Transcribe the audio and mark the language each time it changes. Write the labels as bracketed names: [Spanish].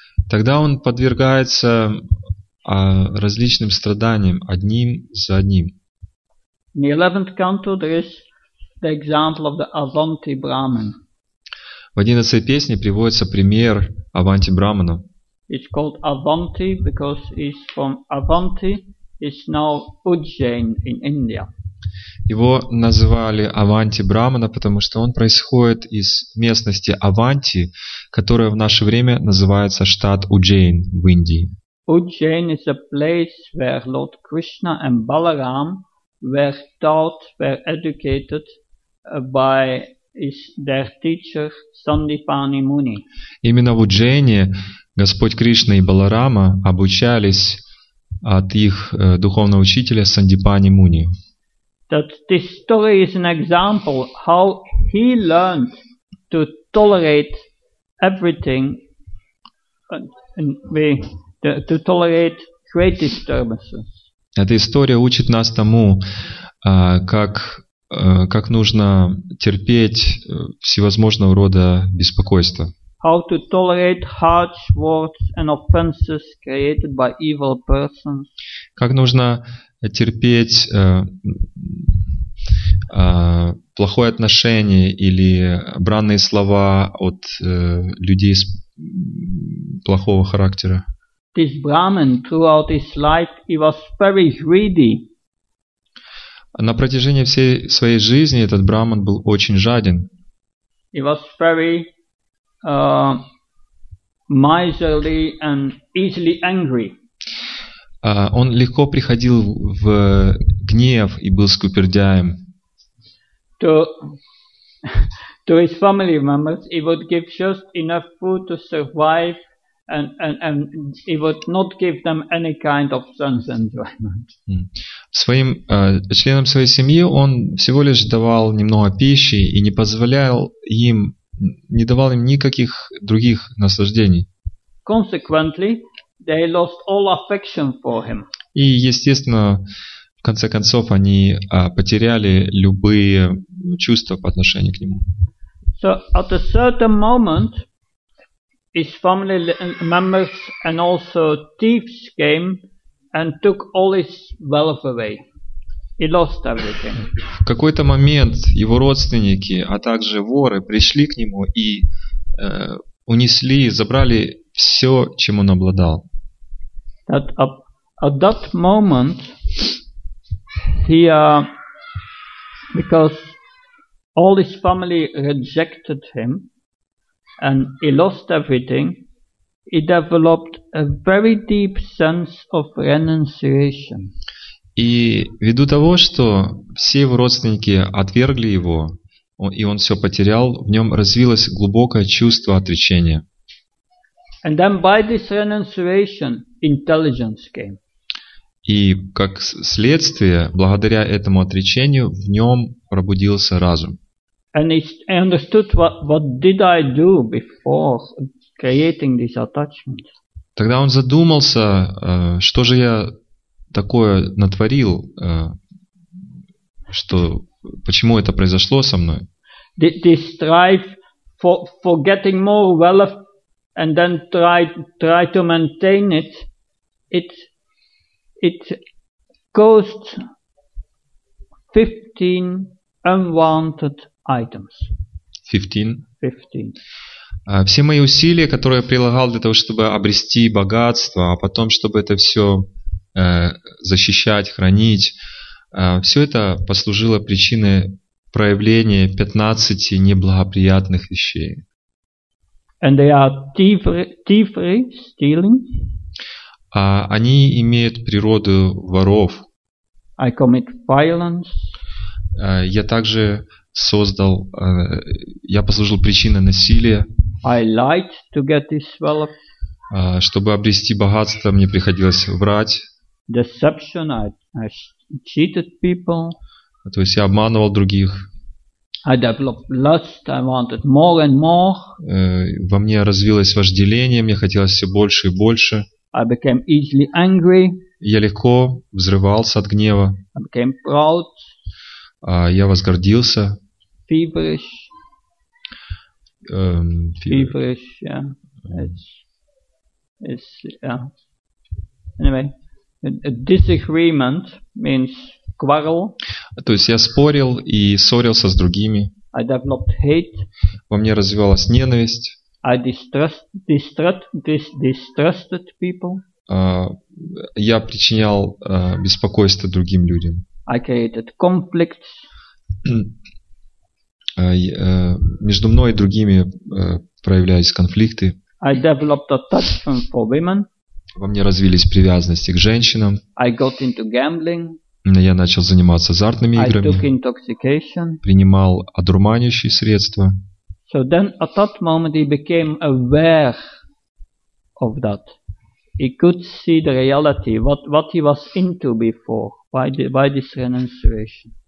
[Russian] Тогда он подвергается различным страданиям одним за одним. [English] In the 11th canto, there is the example of the Avanti Brahman. [Russian] В 11-й песне приводится пример Аванти Брахмана. [English] It's called Avanti because he's from Avanti, is now Ujjain in India. [Russian] Его называли Аванти Брахмана, потому что он происходит из местности Аванти, которая в наше время называется штат Ujjain в Индии. [English] Ujjain is a place where Lord Krishna and Balaram were taught, were educated by their teacher Sandipani Muni. [Russian] Именно в Уджейне Господь Кришна и Баларама обучались от их духовного учителя Сандипани Муни. [English] That this story is an example how he learned to tolerate everything and to tolerate great disturbances. [Russian] Эта история учит нас тому, как нужно терпеть всевозможного рода беспокойства. [English] How to tolerate harsh words and offenses created by evil persons. [Russian] Как нужно терпеть плохое отношение или бранные слова от людей с плохого характера. [English] This Brahmin, throughout his life, he was very greedy. [Russian] На протяжении всей своей жизни этот Брахман был очень жаден. [English] He was very miserly and easily angry. [Russian] Он легко приходил в гнев и был скупердяем. [English] To his family members, he would give just enough food to survive. And he would not give them any kind of sense enjoyment. [Russian] Своим членам своей семьи он всего лишь давал немного пищи и не позволял им, не давал им никаких других наслаждений. [English] Consequently, they lost all affection for him. [Russian] И естественно, в конце концов, они потеряли любые чувства по отношению к нему. [English] So at a certain moment, his family members and also thieves came and took all his wealth away. He lost everything. [Russian] В какой-то момент его родственники, а также воры, пришли к нему и унесли, забрали все, чем он обладал. [English] That at that moment, he, because all his family rejected him, and he lost everything, he developed a very deep sense of renunciation. [Russian] И ввиду того, что все его родственники отвергли его, и он все потерял, в нем развилось глубокое чувство отречения. [English] And then by this renunciation, intelligence came. [Russian] И как следствие, благодаря этому отречению, в нем пробудился разум. [English] And he understood what did I do before creating this attachment. [Russian] Тогда он задумался, что же я такое натворил, что, почему это произошло со мной. [English] This strife for getting more wealth and then try to maintain it, it caused 15 unwanted items. 15. [Russian] Все мои усилия, которые я прилагал для того, чтобы обрести богатство, а потом, чтобы это все защищать, хранить, все это послужило причиной проявления 15 неблагоприятных вещей. [English] And they are thievery, stealing. [Russian] Они имеют природу воров. [English] I commit violence. [Russian] Я также создал, я послужил причиной насилия. [English] I lied to get this wealth. [Russian] Чтобы обрести богатство, мне приходилось врать. [English] Deception, I cheated people. [Russian] То есть я обманывал других. [English] I developed lust, I wanted more and more. [Russian] Во мне развилось вожделение, мне хотелось все больше и больше. [English] I became easily angry. [Russian] Я легко взрывался от гнева. [English] I became proud. [Russian] Я возгордился. [English] Feverish. Feverish, yeah. Anyway, a disagreement means quarrel. [Russian] То есть я спорил и ссорился с другими. [English] I developed hate. [Russian] Во мне развивалась ненависть. [English] I distrusted people. [Russian] Я причинял беспокойство другим людям. [English] I created conflicts. [Russian] Между мной и другими проявлялись конфликты. [English] I developed attachment for women. [Russian] Во мне развились привязанности к женщинам. [English] I got into gambling. [Russian] Я начал заниматься азартными играми. [English] I took intoxication. [Russian] Принимал одурманивающие средства. [English] So then at that moment he became aware of that. He could see the reality, what he was into before, by this renunciation.